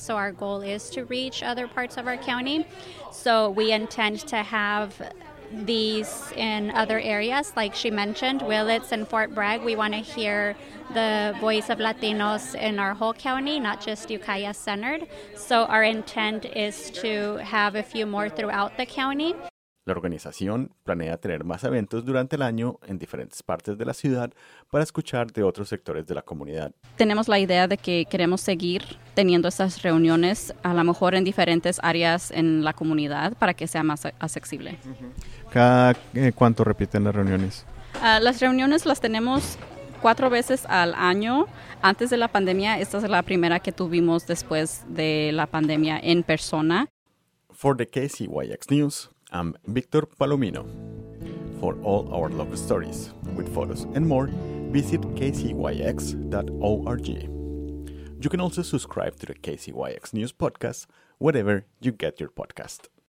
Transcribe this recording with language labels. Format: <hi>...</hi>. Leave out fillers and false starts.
<en>So our goal is to reach other parts of our county. So we intend to have these in other areas, like she mentioned, Willits and Fort Bragg. We want to hear the voice of Latinos in our whole county, not just Ukiah centered. So our intent is to have a few more throughout the county.</en> <es>La organización planea tener más eventos durante el año en diferentes partes de la ciudad para escuchar de otros sectores de la comunidad. Tenemos la idea de que queremos seguir teniendo esas reuniones, a lo mejor en diferentes áreas en la comunidad, para que sea más accesible. ¿Cuánto repiten las reuniones? Las reuniones las tenemos 4 veces al año. Antes de la pandemia, esta es la primera que tuvimos después de la pandemia en persona.</es> <en>For the KCYX News, I'm Victor Palomino. For all our local stories, with photos and more, visit kcyx.org. You can also subscribe to the KCYX News podcast wherever you get your podcasts.</en>